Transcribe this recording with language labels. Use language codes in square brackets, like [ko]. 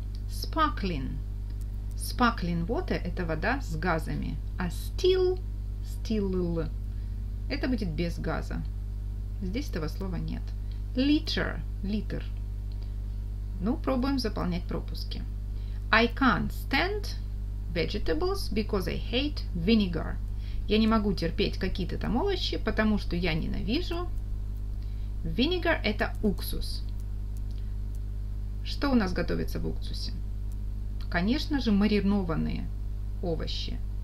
[ru] Sparkling – sparkling water – это вода с газами. А still – still – это будет без газа. Здесь этого слова нет. Litter – литр. Ну, пробуем заполнять пропуски. [en] I can't stand vegetables because I hate vinegar. [ru] Я не могу терпеть какие-то там овощи, потому что я ненавижу. Винегар – это уксус. Что у нас готовится в уксусе? Конечно же, маринованные овощи.